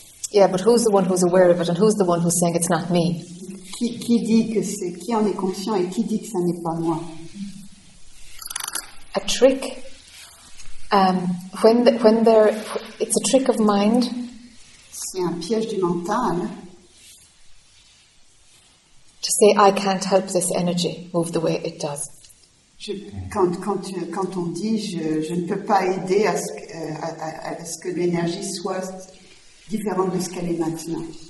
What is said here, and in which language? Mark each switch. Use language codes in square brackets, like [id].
[en] Yeah, but who's the one who's aware of it and who's the one who's saying it's not me? [fr] Qui dit que c'est, qui en est conscient et qui dit que ça n'est pas moi? [en] A trick. It's a trick of mind. [fr] C'est un piège du mental. [en] To say I can't help this energy move the way it does. [fr] Quand on dit je ne peux pas aider à ce que l'énergie soit différente de ce qu'elle est maintenant.